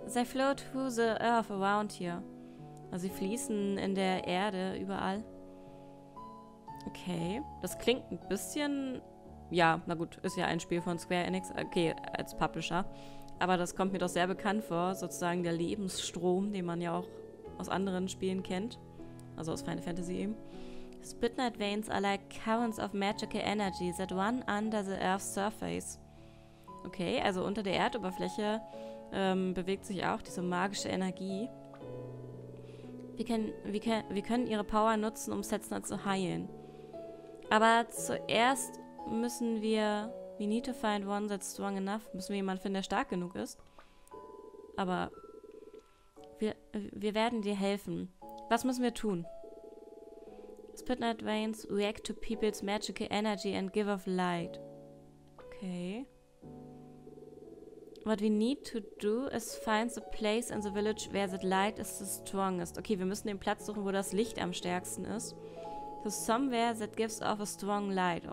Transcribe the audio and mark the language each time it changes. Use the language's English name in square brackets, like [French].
[English] They flow to the earth around here. [German] Also sie fließen in der Erde überall. Okay, das klingt ein bisschen... Ja, na gut, ist ja ein Spiel von Square Enix. Okay, als Publisher. Aber das kommt mir doch sehr bekannt vor. Sozusagen der Lebensstrom, den man ja auch aus anderen Spielen kennt. Also aus Final Fantasy eben. [English] Spirit Knight Veins are like currents of magical energy that run under the earth's surface. [German] Okay, also unter der Erdoberfläche bewegt sich auch diese magische Energie. Wir können ihre Power nutzen, um Setzner zu heilen. Aber zuerst müssen wir... [English] We need to find one that's strong enough. [German] Müssen wir jemanden finden, der stark genug ist. Aber wir werden dir helfen. Was müssen wir tun? [English] Spirit Knight Veins react to people's magical energy and give off light. Okay. What we need to do is find the place in the village where the light is the strongest. [German] Okay, wir müssen den Platz suchen, wo das Licht am stärksten ist. [English] So somewhere that gives off a strong light.